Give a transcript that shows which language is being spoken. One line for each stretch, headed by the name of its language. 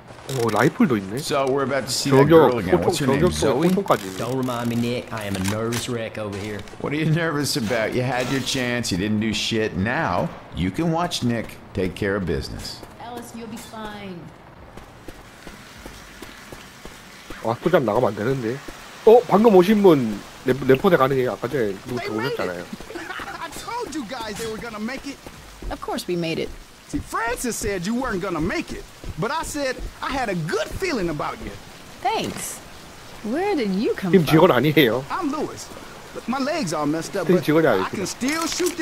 English: Oh, rifle doing this. So we're about to see that girl again. What's your name, Zoe? Don't remind me, Nick. I am a nervous wreck over here. What are you nervous about? You had your chance. You didn't do shit. Now you can watch Nick take care of business. Ellis, you'll be fine.
Korean: 아, 포장 나가면 안 되는데. 어, 방금 오신 분 레포대 가능해요. 아까 전에 누구 들어오셨잖아요.
English: I told you guys they were gonna make it. Of course we made it. See, Francis said you weren't gonna make it, but I said I had a good feeling about you. Thanks. Where did you come
Korean: from? 지금 직원 아니에요.
English: I'm Lewis. My legs are messed up, but I can still shoot.